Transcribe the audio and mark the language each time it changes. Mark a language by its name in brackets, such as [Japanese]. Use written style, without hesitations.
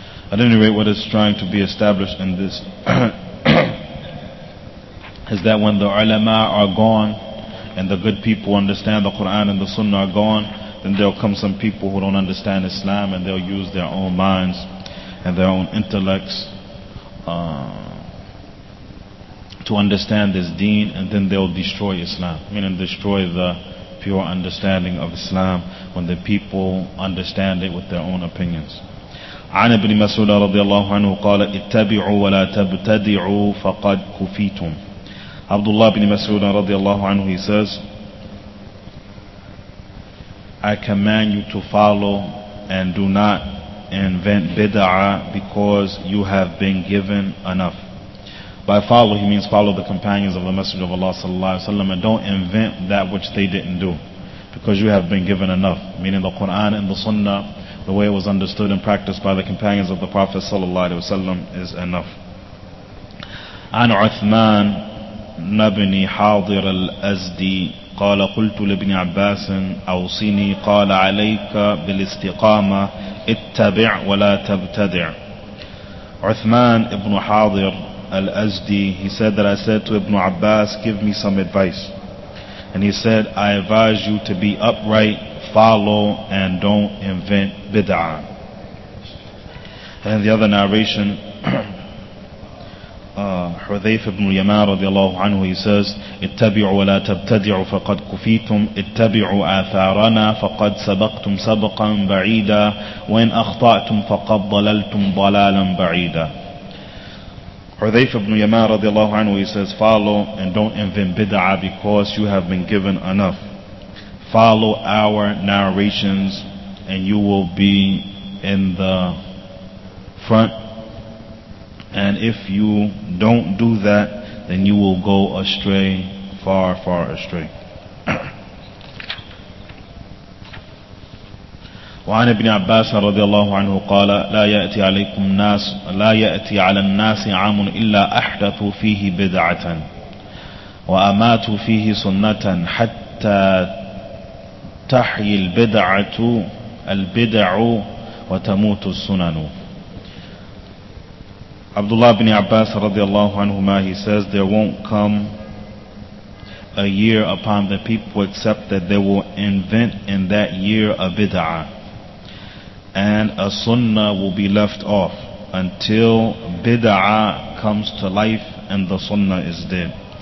[English] At any rate, what is trying to be established in this is that when the ulama are gone and the good people understand the Quran and the Sunnah are gone, then there will come some people who don't understand Islam, and they'll use their own minds and their own intellects to understand this deen, and then they'll destroy Islam, meaning destroy the pure understanding of Islam when the people understand it with their own opinions. [Arabic] عن ابن مسعود رضي الله عنه قال اتبعوا ولا تبتدعوا فقد كفيتم. [English] Abdullah ibn Mas'ud [Arabic] رضي الله عنه, [English] he says, I command you to follow and do not invent bid'ah, because you have been given enough. By follow, he means follow the companions of the Messenger of Allah sallallahu alaihi wasallam, and don't invent that which they didn't do, because you have been given enough, meaning the Quran and the Sunnah, the way it was understood and practiced by the companions of the Prophet sallallahu alaihi wasallam, is enough. An Uthman [Arabic] نبني حاضر الأزد قال قلت لابن عباس أوصني قال عليك بالاستقامة اتبع ولا تبتدع. [English] عثمان ابن حاضر الأزدي, he said that I said to Ibn Abbas, give me some advice. And he said, I advise you to be upright, follow, and don't invent bid'ah. And the other narration, Hudhayf ibn Yamar radiallahu anhu, he says, [Arabic] اتبعوا ولا تبتدعوا فقد كفيتم اتبعوا آثارنا فقد سبقتم سبقا بعيدا وإن أخطأتم فقد ضللتم ضلالا بعيدا. [English] Hudhayf ibn Yamar radiallahu anhu, he says, follow and don't invent bid'ah because you have been given enough. Follow our narrations and you will be in the front. And if you don't do that, then you will go astray, far, far astray. [Arabic] وعن ابن عباس رضي الله عنه قال لا يأتي عليكم ناس لا يأتي على الناس عام إلا أحدثوا فيه بدعة وأماتوا فيه سنة حتى تحيي البدعة البدع وتموت السنن. [English] Abdullah ibn Abbas radiallahu anhuma, he says, there won't come a year upon the people except that they will invent in that year a bid'ah, and a sunnah will be left off until bid'ah comes to life and the sunnah is dead.